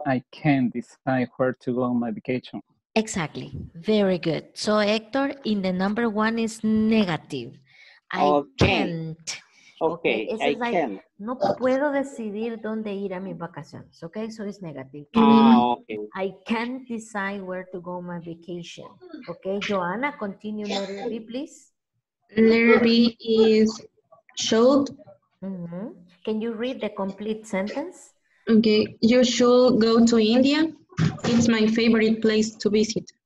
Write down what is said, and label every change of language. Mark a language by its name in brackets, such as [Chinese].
[English] I can decide where to go on my vacation. Exactly. Very good. So Hector, in the number one is negative. I can't. Okay, I can. [Spanish] No puedo decidir dónde ir a mis vacaciones. [English] Okay, so it's negative. I can't decide where to go on my vacation. Okay, Joanna, continue letter B, please. Letter B is... Should. Mm-hmm. Can you read the complete sentence? Okay, you should go to India. It's my favorite place to visit.